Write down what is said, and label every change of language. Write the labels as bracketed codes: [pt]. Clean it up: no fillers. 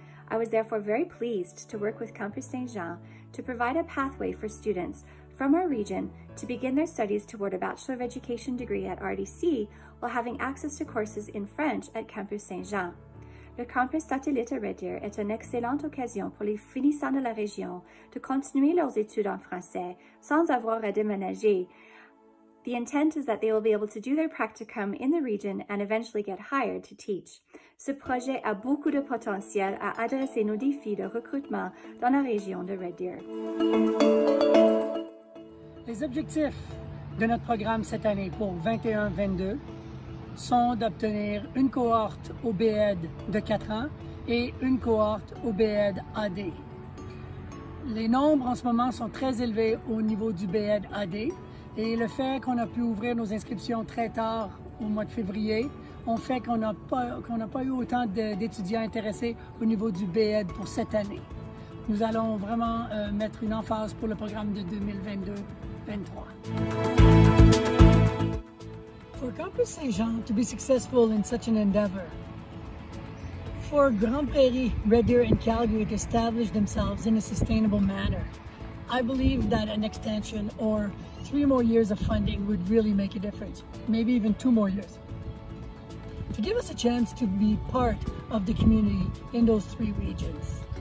[en] I was therefore very pleased to work with Campus Saint-Jean to provide a pathway for students from our region to begin their studies toward a Bachelor of Education degree at RDC while having access to courses in French at Campus Saint-Jean. [fr] Le campus satellite à Red Deer est une excellente occasion pour les finissants de la région de continuer leurs études en français sans avoir à déménager. [en] The intent is that they will be able to do their practicum in the region and eventually get hired to teach. [fr] Ce projet a beaucoup de potentiel à adresser nos défis de recrutement dans la région de Red Deer. Les objectifs de notre programme cette année pour 21-22 sont d'obtenir une cohorte au BEd de 4 ans et une cohorte au BEd AD. Les nombres en ce moment sont très élevés au niveau du BEd AD et le fait qu'on a pu ouvrir nos inscriptions très tard au mois de février ont fait qu'on n'a pas eu autant d'étudiants intéressés au niveau du BEd pour cette année. Nous allons vraiment mettre une emphase pour le programme de 2022-23. [en] For Campus Saint-Jean to be successful in such an endeavor, for Grande Prairie, Red Deer, and Calgary to establish themselves in a sustainable manner, I believe that an extension or 3 more years of funding would really make a difference, maybe even 2 more years, to give us a chance to be part of the community in those 3 regions.